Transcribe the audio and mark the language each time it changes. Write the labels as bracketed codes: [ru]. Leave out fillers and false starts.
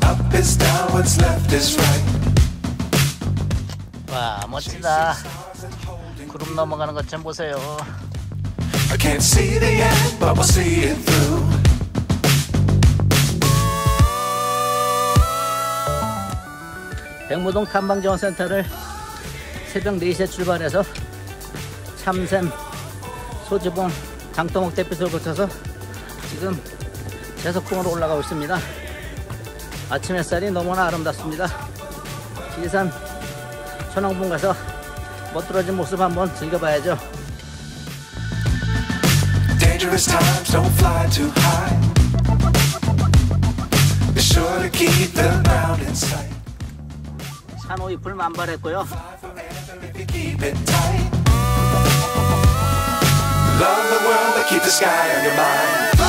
[en] up is down, what's left is right. [ko] 와 멋지다. 구름 넘어가는 것 좀 보세요. [en] I can't see the end, but we'll see it through. [ko] 백무동 탐방정원센터를 새벽 4시에 출발해서 참샘, 소주봉, 장터목 대피소를 거쳐서 지금 제석궁으로 올라가고 있습니다. 아침 햇살이 너무나 아름답습니다. 지리산 천왕봉 가서 멋들어진 모습 한번 즐겨봐야죠. [en] Dangerous times don't fly too high. Be sure to keep the ground in sight. [ko] 산호의 불 만발했고요. [en] Love the world but keep the sky on your mind.